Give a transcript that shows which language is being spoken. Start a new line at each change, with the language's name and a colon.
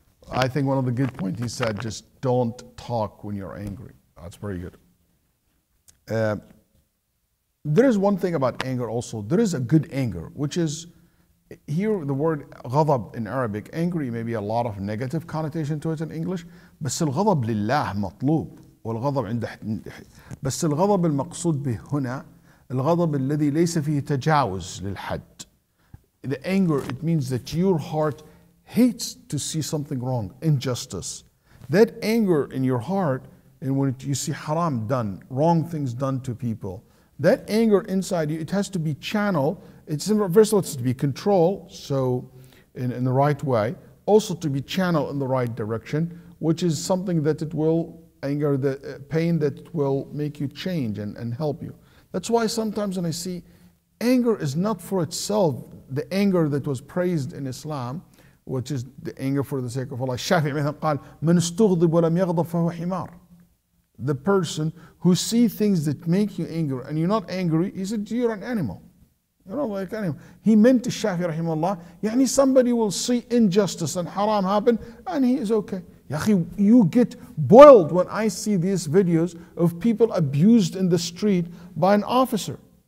English: I think one of the good points he said, just don't talk when you're angry. That's very good. There is one thing about anger also. There is a good anger, which is, here the word ghadab in Arabic, angry, maybe a lot of negative connotation to it in English.
Arabic: بس الغضب لله مطلوب والغضب عند بس الغضب المقصود به هنا الغضب الذي ليس فيه تجاوز للحد.
English: The anger, it means that your heart hates to see something wrong, injustice. That anger in your heart, and when you see haram done, wrong things done to people, that anger inside you, it has to be channeled. It's in reverse, it's to be controlled, so in the right way, also to be channeled in the right direction, which is something that it will anger, the pain that it will make you change and help you. That's why sometimes when I see anger is not for itself, the anger that was praised in Islam, which is the anger for the sake of Allah. Shafi'i said,
Arabic: "من استغضب ولم يغضب فهو حمار."
English: The person who sees things that make you angry and you're not angry, he said, you're an animal. You know, like anyway, he meant to Shafi rahimahullah,
Arabic: يعني
English: somebody will see injustice and haram happen and he is okay. Yaqi, you get boiled when I see these videos of people abused in the street by an officer.